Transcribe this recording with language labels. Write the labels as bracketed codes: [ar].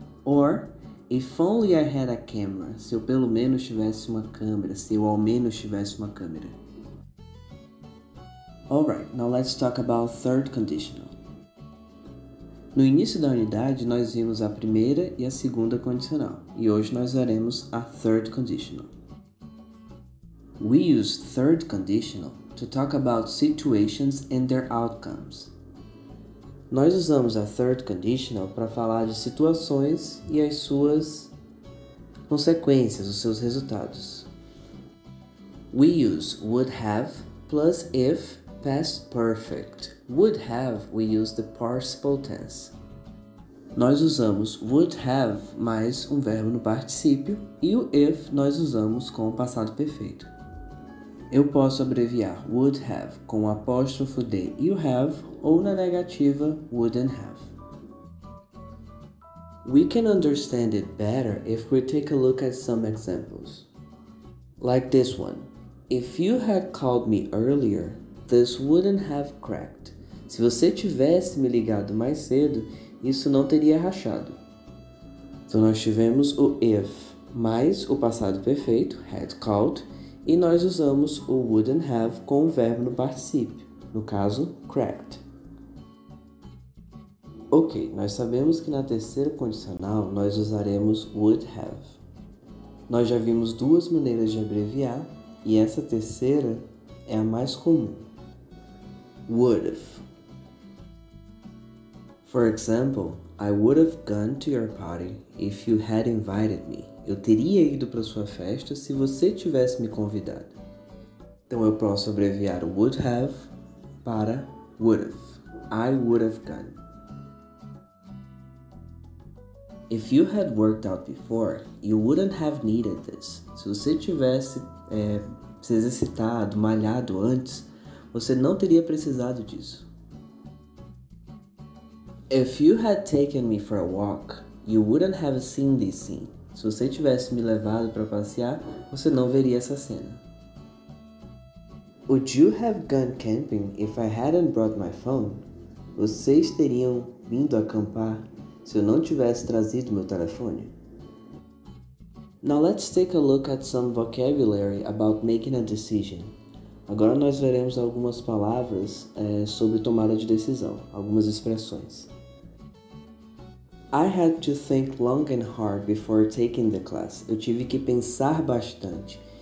[en] Or, if only I had a camera. [pt] Se eu pelo menos tivesse uma câmera. Se eu ao menos tivesse uma câmera. [en] Alright, now let's talk about third conditional. [pt] No início da unidade, nós vimos a primeira e a segunda condicional, e hoje nós veremos a third conditional. [en] We use third conditional to talk about situations and their outcomes. [pt] Nós usamos a third conditional para falar de situações e as suas consequências, os seus resultados. [en] We use would have plus if past perfect. Would have, we use the participle tense. [pt] Nós usamos would have mais um verbo no particípio e o if nós usamos com o passado perfeito. Eu posso abreviar would have com o apóstrofo de you have ou na negativa wouldn't have. [en] We can understand it better if we take a look at some examples. Like this one. If you had called me earlier, this wouldn't have cracked. [pt] Se você tivesse me ligado mais cedo, isso não teria rachado. Então nós tivemos o if mais o passado perfeito, had called, e nós usamos o wouldn't have com o verbo no particípio, no caso, cracked. Ok, nós sabemos que na terceira condicional nós usaremos would have. Nós já vimos duas maneiras de abreviar, e essa terceira é a mais comum. [en] Would have. For example, I would have gone to your party if you had invited me. [pt] Eu teria ido para sua festa se você tivesse me convidado. Então eu posso abreviar would have para would have. [en] I would have gone. If you had worked out before, you wouldn't have needed this. [pt] Se você tivesse se exercitado, malhado antes, você não teria precisado disso. [en] If you had taken me for a walk, you wouldn't have seen this scene. [pt] Se você tivesse me levado para passear, você não veria essa cena. [en] Would you have gone camping if I hadn't brought my phone? [pt] Vocês teriam vindo acampar se eu não tivesse trazido meu telefone? [en] Now let's take a look at some vocabulary about making a decision. [pt] Agora nós veremos algumas palavras sobre tomada de decisão, algumas expressões. [en] I had to think long and hard before taking the class. [pt] Eu tive que pensar bastante